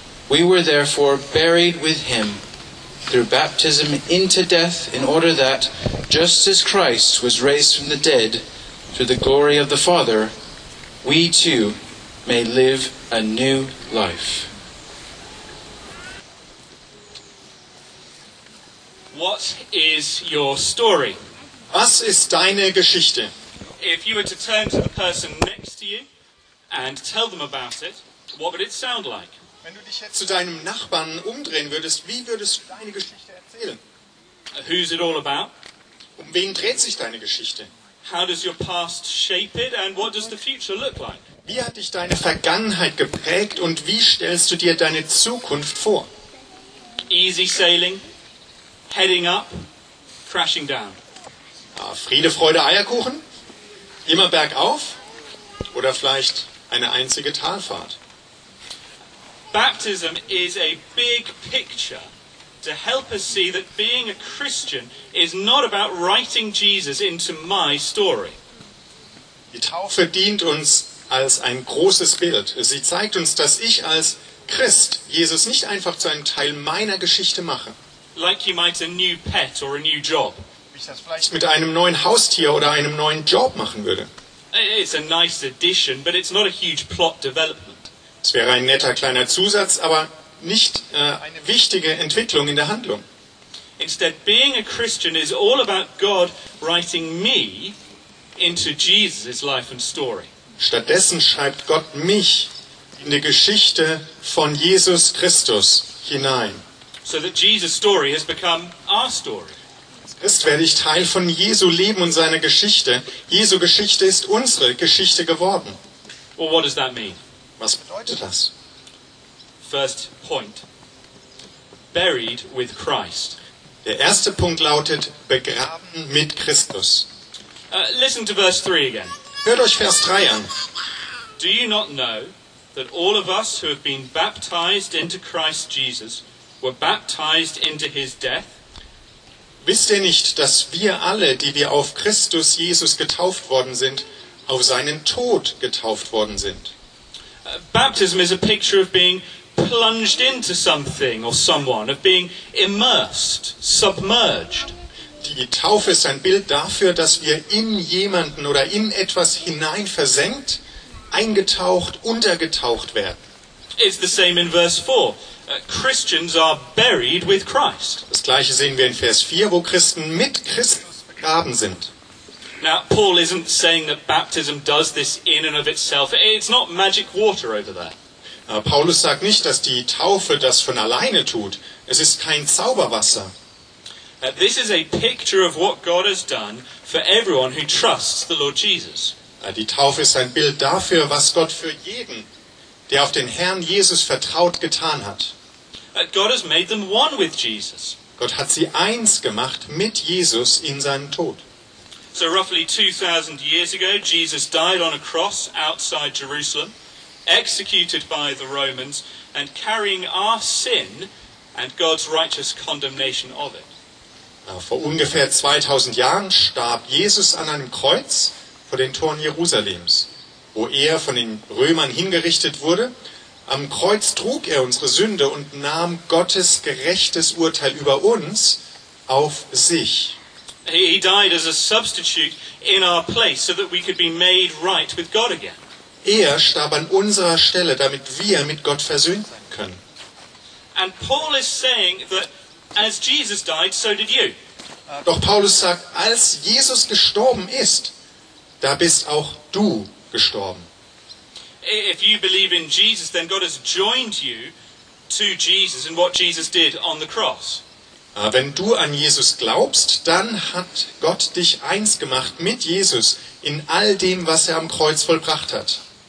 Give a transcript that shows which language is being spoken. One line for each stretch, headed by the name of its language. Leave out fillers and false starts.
English: We were therefore buried with him through baptism into death, in order that, just as Christ was raised from the dead through the glory of the Father, we too may live a new life. What is your story?
German: Was ist deine Geschichte?
English: If you were to turn to the person next to you and tell them about it, what would it sound like?
German: Wenn du dich jetzt zu deinem Nachbarn umdrehen würdest, wie würdest du deine Geschichte erzählen?
English: Who's it all about?
German: Um wen dreht sich deine Geschichte?
English: How does your past shape it and what does the future look like?
German: Wie hat dich deine Vergangenheit geprägt und wie stellst du dir deine Zukunft vor?
English: Easy sailing, heading up, crashing down.
German: Friede, Freude, Eierkuchen? Immer bergauf? Oder vielleicht eine einzige Talfahrt?
English: Baptism is a big picture to help us see that being a Christian is not about writing Jesus into my story.
German: Die Taufe dient uns als ein großes Bild. Sie zeigt uns, dass ich als Christ Jesus nicht einfach zu einem Teil meiner Geschichte mache.
English: Like you might a new pet or a new job.
German: Wie ich das vielleicht mit einem neuen Haustier oder einem neuen Job machen würde.
English: It's a nice addition, but it's not a huge plot development.
German: Es wäre ein netter kleiner Zusatz, aber nicht eine wichtige Entwicklung in der Handlung.
English: Instead, being a Christian is all about God writing me into Jesus' life and story.
German: Stattdessen schreibt Gott mich in die Geschichte von Jesus Christus hinein. So that Jesus' story has become our story. Jetzt werde ich Teil von Jesu Leben und seiner Geschichte. Jesu Geschichte ist unsere Geschichte geworden.
English: Well, what does that mean?
German: Was bedeutet das?
English: First point. Buried with Christ.
German: Der erste Punkt lautet, begraben mit Christus.
English: Listen to verse 3 again.
German: Hört euch Vers 3 an.
English: Do you not know that all of us who have been baptized into Christ Jesus were baptized into his death?
German: Wisst ihr nicht, dass wir alle, die wir auf Christus Jesus getauft worden sind, auf seinen Tod getauft worden sind?
English: Baptism is a picture of being plunged into something or someone, of being immersed, submerged.
German: Die Taufe ist ein Bild dafür, dass wir in jemanden oder in etwas hineinversenkt, eingetaucht, untergetaucht werden.
English: It's the same in verse 4. Christians are buried with Christ.
German: Das gleiche sehen wir in Vers 4, wo Christen mit Christus begraben sind.
English: Now, Paul isn't saying that baptism does this in and of itself. It's not magic water over there.
German: Paulus sagt nicht, dass die Taufe das von alleine tut. Es ist kein Zauberwasser.
English: This is a picture of what God has done for everyone who trusts the Lord Jesus.
German: Die Taufe ist ein Bild dafür, was Gott für jeden, der auf den Herrn Jesus vertraut, getan hat.
English: God has made them one with Jesus.
German: Gott hat sie eins gemacht mit Jesus in seinem Tod.
English: So roughly 2000 years ago, Jesus died on a cross outside Jerusalem, executed by the Romans, and carrying our sin and God's righteous condemnation of it.
German: Vor ungefähr 2000 Jahren starb Jesus an einem Kreuz vor den Toren Jerusalems, wo er von den Römern hingerichtet wurde Am Kreuz trug er unsere Sünde und nahm Gottes gerechtes Urteil über uns auf sich.
English: He died as a substitute in our place so that we could be made right with God again.
German: Er starb an unserer Stelle, damit wir mit Gott versöhnt sein können.
English: And Paul is saying that as Jesus died, so did you.
German: Doch Paulus sagt, als Jesus gestorben ist, da bist auch du gestorben.
English: If you believe in Jesus, then God has joined you to Jesus and what Jesus did on the cross.
German: Wenn du an Jesus glaubst, dann hat Gott dich eins gemacht mit Jesus in all dem, was er am Kreuz vollbracht hat.